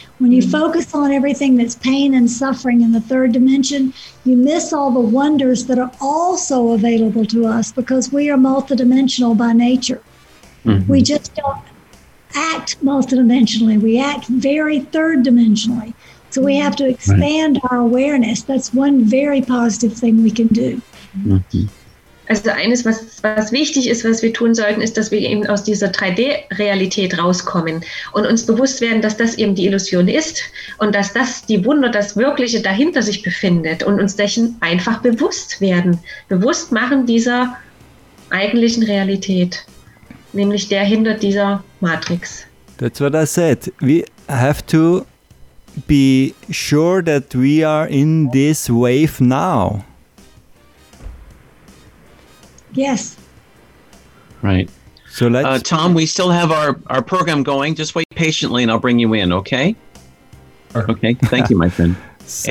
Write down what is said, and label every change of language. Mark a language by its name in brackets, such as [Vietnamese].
[English] When you focus on everything that's pain and suffering in the third dimension, you miss all the wonders that are also available to us because we are multidimensional by nature. Mm-hmm. We just don't act multidimensionally. We act very third dimensionally. So we have to expand our awareness. That's one very positive thing we can do. Mm-hmm. [German] Also eines, was wichtig ist, was wir tun sollten, ist, dass wir eben aus dieser 3D-Realität rauskommen und uns bewusst werden, dass das eben die Illusion ist und dass das die Wunder, das Wirkliche dahinter sich befindet und uns dessen einfach bewusst werden, bewusst machen dieser eigentlichen Realität, nämlich der hinter dieser Matrix. [English] That's what I said. We have to be sure that we are in this wave now. Yes. Right. So let's. Tom, we still have our program going. Just wait patiently and I'll bring you in, okay? Okay. Thank you, my friend. So.